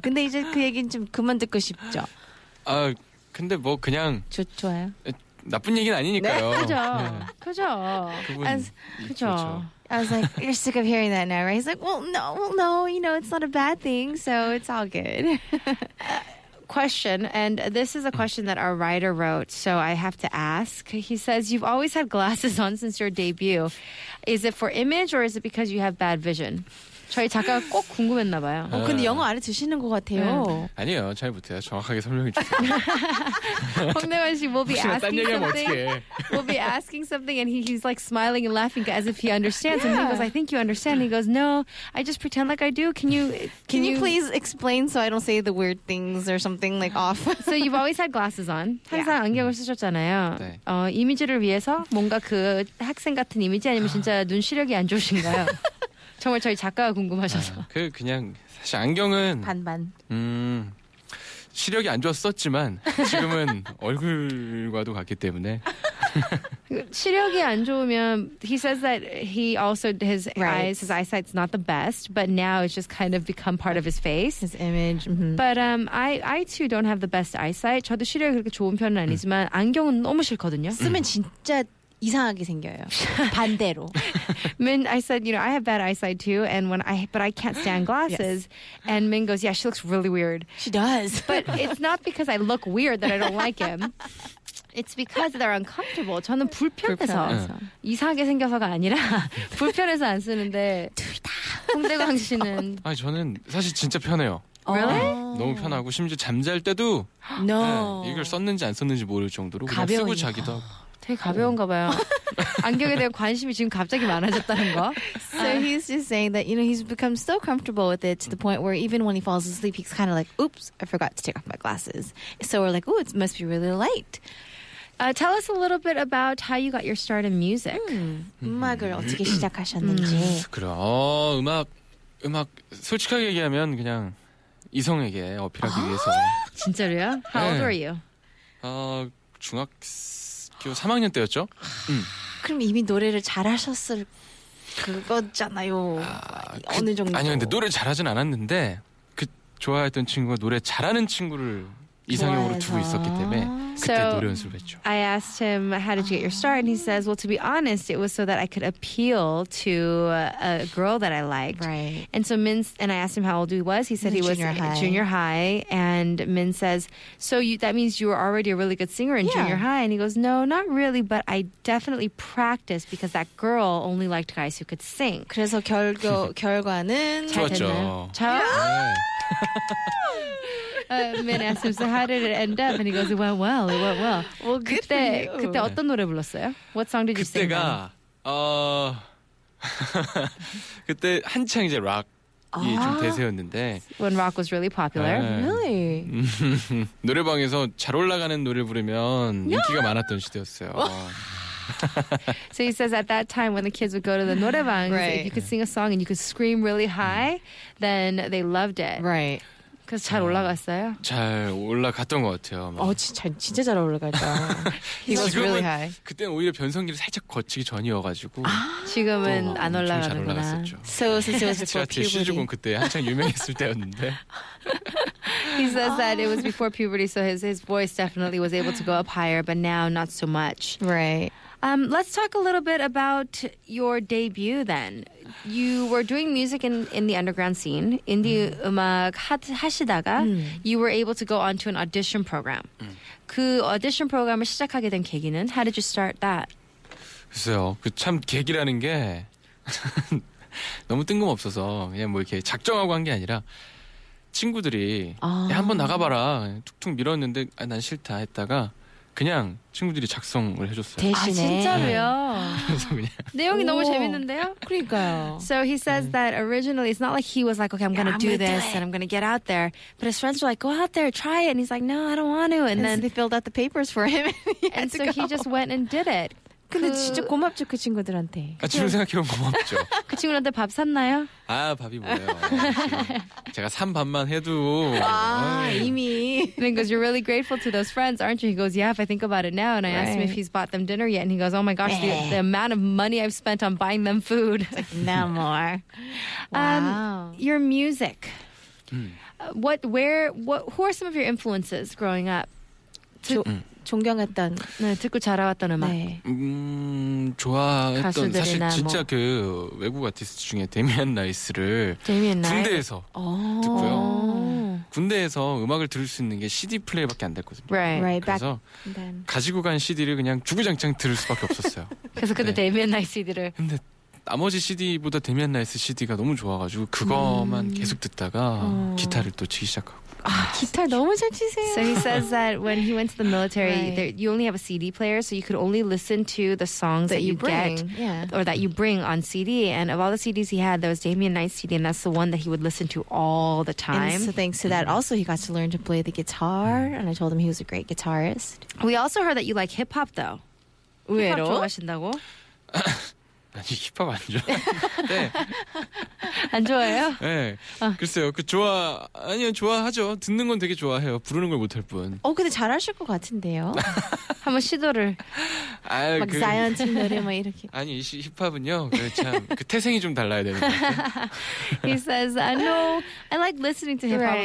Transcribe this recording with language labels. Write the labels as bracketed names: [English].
[Korean] 근데 이제 그 얘기는 좀 그만 듣고 싶죠. 아, 근데 뭐 그냥 좋아요. 나쁜 얘기는 아니니까요. 그죠, 그죠. 그죠. [English] I was like, you're sick of hearing that now, right? He's like, well, no, you know, it's not a bad thing, so it's all good. Question, and this is a question that our writer wrote, so I have to ask. He says, you've always had glasses on since your debut. Is it for image, or is it because you have bad vision? [Korean] 저희 작가가 꼭 궁금했나 봐요. 어, 근데 영어 안 해주시는 것 같아요. 아니에요. 잘 못해요. 정확하게 설명해 주세요. [English] 홍대관 씨, we'll be asking something. We'll be asking something and he's like smiling and laughing as if he understands. Yeah. And he goes, I think you understand. And he goes, no, I just pretend like I do. Can you please explain so I don't say the weird things or something like off? So you've always had glasses on. [Korean] 항상 [English] yeah. [Korean] 안경을 쓰셨잖아요. 네. 어, 이미지를 위해서 뭔가 그 학생 같은 이미지 아니면 진짜 눈 시력이 안 좋으신가요? 정말 저희 작가가 궁금하셔서. 아, 그냥 사실 안경은 반반. 시력이 안 좋았었지만 지금은 얼굴과도 같기 때문에. 시력이 안 좋으면 [English] he says that he also his right. eyes his eyesight's not the best, but now it's just kind of become part of his face, his image. Mm-hmm. But I too don't have the best eyesight. [Korean] 저도 시력이 그렇게 좋은 편은 아니지만 안경은 너무 싫거든요. 쓰면 진짜 이상하게 생겨요. 반대로. [English] Min, I said, you know, I have bad eyesight too, and but I can't stand glasses. Yes. And Min goes, yeah, she looks really weird. She does. But it's not because I look weird that I don't like him. It's because they're uncomfortable. [Korean] 저는 불편해서. 이상하게 생겨서가 아니라 불편해서 안 쓰는데. 둘 다. 홍대광 씨는. 아니 저는 사실 진짜 편해요. [English] Really? [Korean] 너무 편하고 심지어 잠잘 때도 no. 네, 이걸 썼는지 안 썼는지 모를 정도로 그냥 가벼운 쓰고 자기도 하고. 되게 가벼운가 봐요. 안경에 대한 관심이 지금 갑자기 많아졌다는 거. [English] So he's just saying that, you know, he's become so comfortable with it to the point where even when he falls asleep, he's kind of like, oops, I forgot to take off my glasses. So we're like, oh, it must be really light. Tell us a little bit about how you got your start in music. [Korean] 음악을 어떻게 시작하셨는지. 그럼, 음악, 솔직하게 얘기하면 그냥 이성에게 어필하기 위해서. 진짜로요? [English] How old are you? [Korean] 3학년 때였죠. 그럼 이미 노래를 잘하셨을 그거잖아요. 어느 정도. 아니요, 근데 노래 잘하진 않았는데 그 좋아했던 친구가 노래 잘하는 친구를 이상형으로 두고 있었기 때문에 그때 [English] so, [Korean] 노래 연습을 했죠. [English] I asked him how did you get your start, and he says, "Well, to be honest, it was so that I could appeal to a girl that I liked." Right. And so Min and I asked him how old he was. He said he was junior high. And Min says, "So that means you were already a really good singer in junior high." And he goes, "No, not really, but I definitely practiced because that girl only liked guys who could sing." [Korean] 그래서 결과는 좋았죠. [English] Min asked him, so how did it end up? And he goes, it went well. Well, good [Korean] 그때, [English] for you. [Korean] 그때 어떤 노래 불렀어요? [English] What song did you [Korean] 그때가, [English] sing? [Korean] 그때가, 그때 한창 이제 락 이 좀 대세였는데. [English] When rock was really popular. 네. Really? [Korean] 노래방에서 잘 올라가는 노래 부르면 인기가 많았던 시대였어요. [English] So he says at that time when the kids would go to the norebang, right. if you could sing a song and you could scream really high, then they loved it. Right. [Korean] 그래서 잘 올라갔어요? 잘 올라갔던 것 같아요. 막. 어, 진짜 잘 올라갔다. [English] He was really high. [Korean] 그때는 오히려 변성기를 살짝 거치기 전이어가지고 아, 지금은 안 올라가는구나. 좀 잘 올라갔었죠. [English] So since it was before puberty. [Korean] 제가 시주군 그때 한창 유명했을 때였는데. [English] He says that it was before puberty, so his voice definitely was able to go up higher, but now not so much. Right. Let's talk a little bit about your debut then. You were doing music in the underground scene. Indie [Korean] 음악 하시다가 [English] you were able to go on to an audition program. [Korean] 그 audition program을 시작하게 된 계기는? [English] How did you start that? [Korean] 글쎄요. 그 참 계기라는 게 너무 뜬금없어서 그냥 뭐 이렇게 작정하고 한 게 아니라 친구들이 야, 한번 나가봐라. 툭툭 밀었는데 아, 난 싫다 했다가 그냥 친구들이 작성을 해줬어요. 대신에. 아, 진짜로요? 그래서 그냥. 내용이 오. 너무 재밌는데요? 그러니까요. [English] So he says that originally, it's not like he was like, okay, I'm going to do this and I'm going to get out there. But his friends were like, go out there, try it. And he's like, no, I don't want to. And then they filled out the papers for him. And so he just went and did it. [Korean] 근데 진짜 고맙죠, 그 친구들한테. 아, 지금 생각해보면 고맙죠. 그 친구들한테 밥 샀나요? 아, 밥이 뭐예요. 제가 산 밥만 해도. 아, 이미. [English] And he goes, you're really grateful to those friends, aren't you? He goes, yeah, if I think about it now. And I right. asked him if he's bought them dinner yet. And he goes, oh my gosh, the amount of money I've spent on buying them food. No more. Wow. Your music. Who are some of your influences growing up? [Korean] 존경했던 네, 듣고 자라왔던 음악 네. 좋아했던 사실 진짜 그 외국 아티스트 중에 데미안 라이스를 군대에서 듣고요 군대에서 음악을 들을 수 있는 게 CD 플레이어밖에 안 됐거든요 [English] right. [Korean] 그래서 [English] then. [Korean] 가지고 간 CD를 그냥 주구장창 들을 수밖에 없었어요 그래서 근데 데미안 라이스 CD를 근데 나머지 CD보다 데미안 라이스 CD가 너무 좋아가지고 그거만 계속 듣다가 기타를 또 치기 시작하고 아, 기타 너무 잘 치세요. [English] So he says that when he went to the military, right. there, you only have a CD player, so you could only listen to the songs that you bring. Get yeah. or that you bring on CD. And of all the CDs he had, there was Damien Knight's CD, and that's the one that he would listen to all the time. And so thanks to that, also he got to learn to play the guitar, and I told him he was a great guitarist. We also heard that you like hip-hop, though. [Korean] 왜로? 힙합 좋아하신다고? 아니, 힙합 안 좋아. 네. 안 좋아해요? 네. 어. 글쎄요. 아니요. 좋아하죠. 듣는 건 되게 좋아해요. 부르는 걸 못할 뿐. 어, 근데 잘하실 것 같은데요. 한번 시도를. 아, 막 자연친 노래 막 이렇게. 아니, 힙합은요. 그 태생이 좀 달라야 되는 것 같아요. [English] He says, I know, I like listening to hip-hop.